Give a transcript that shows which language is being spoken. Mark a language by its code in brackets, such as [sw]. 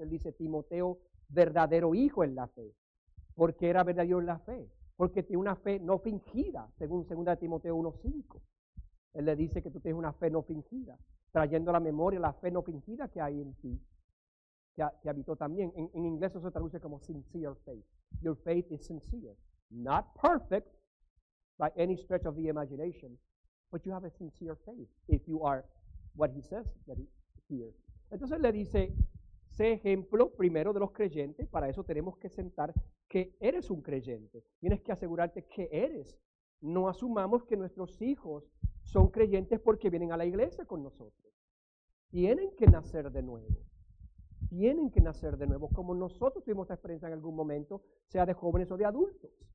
[es] Él dice, Timoteo, verdadero hijo en la fe. ¿Por qué era verdadero en la fe? Porque tiene una fe no fingida, según 2 Timoteo 1:5. Él le dice que tú tienes una fe no fingida, trayendo a la memoria la fe no fingida que hay en ti, que habitó también. En inglés eso se traduce como [en] sincere faith. Your faith is sincere. Not perfect by any stretch of the imagination, but you have a sincere faith if you are what he says that he hears. [es] Entonces le dice, sé ejemplo primero de los creyentes, para eso tenemos que sentar que eres un creyente. Tienes que asegurarte que eres. No asumamos que nuestros hijos son creyentes porque vienen a la iglesia con nosotros. Tienen que nacer de nuevo. Tienen que nacer de nuevo, como nosotros tuvimos esta experiencia en algún momento, sea de jóvenes o de adultos.